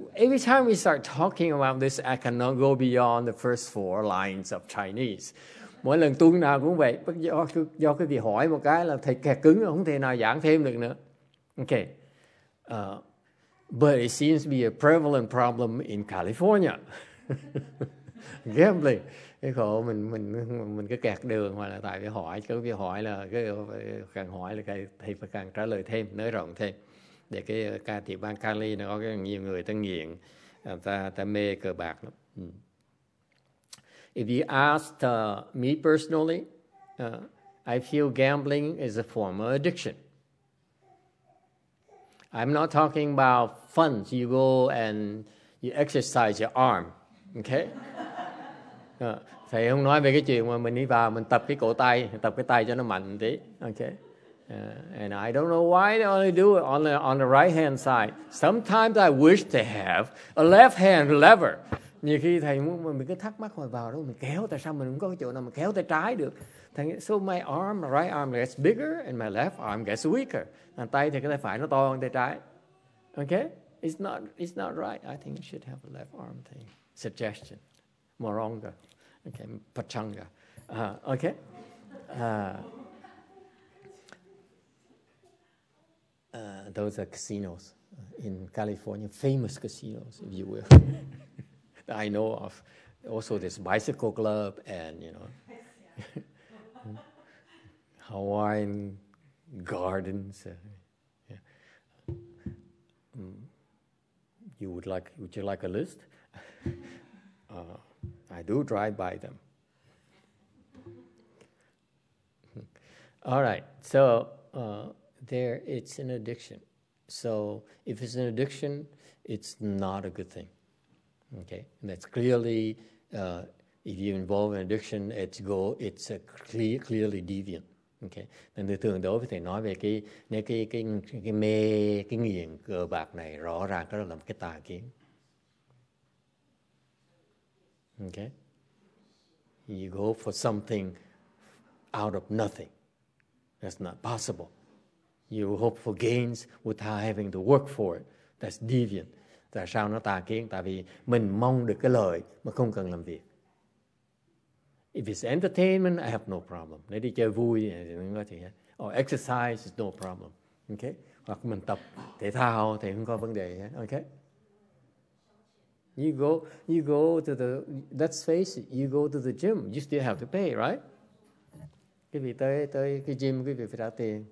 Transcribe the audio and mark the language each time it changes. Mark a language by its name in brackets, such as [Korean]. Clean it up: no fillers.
[English] Every time we start talking about this, I cannot go beyond the first four lines of Chinese. [Vietnamese] Mỗi lần tu nào cũng vậy, do cái vị hỏi một cái là thầy kẹt cứng, không thể nào giảng thêm được nữa. [English] Okay, but it seems to be a prevalent problem in California. Gambling. [Vietnamese] Cái khổ mình cứ kẹt đường hoặc là tại vì hỏi, cứ vì hỏi là cái càng hỏi là thầy phải càng trả lời thêm, nới rộng thêm. Để cái ca tiểu bang Cali nó có cái nhiều người ta nghiện, ta mê cờ bạc lắm. [English] If you asked me personally, I feel gambling is a form of addiction. I'm not talking about fun. So you go and you exercise your arm, okay? [Vietnamese] Thầy không nói về cái chuyện mà mình đi vào mình tập cái cổ tay, tập cái tay cho nó mạnh tí, okay? [English] And I don't know why they only do it on the right hand side. Sometimes I wish to have a left hand lever. [Vietnamese] Nhiều khi thầy muốn mình cứ thắc mắc hồi vào đó mình kéo, tại sao mình không có cái chỗ nào mà kéo tay trái được? Thầy nghĩ, [English] so my arm, my right arm gets bigger and my left arm gets weaker. [Vietnamese] Thằng tay thì cái tay phải nó to hơn tay trái. [English] Okay? It's not right. I think you should have a left arm thing. Suggestion. Moronga. Okay. Pachanga. Okay? Those are casinos in California. Famous casinos, if you will. I know of also this bicycle club and, you know, Hawaiian gardens. Would you like a list? I do drive by them. All right, so there it's an addiction. So if it's an addiction, it's not a good thing. Okay, and that's clearly, if you involve an addiction, it's a clearly deviant. [Vietnamese] Okay, nên thường đối với thầy nói về cái mê, cái nghiện cờ bạc này rõ ràng đó là một cái tà kiến. [English] Okay, you go for something out of nothing. That's not possible. You hope for gains without having to work for it. That's deviant. [Vietnamese] Tại sao nó tà kiến? Tại vì mình mong được cái lợi mà không cần làm việc. [English] If it's entertainment, I have no problem. [Vietnamese] Nếu đi chơi vui, [English] or exercise is no problem. Okay? [Vietnamese] Hoặc mình tập thể thao thì không có vấn đề. [English] Okay? Let's face it, you go to the gym, you still have to pay, right? [Vietnamese] Quý vị tới cái gym, quý vị phải trả tiền.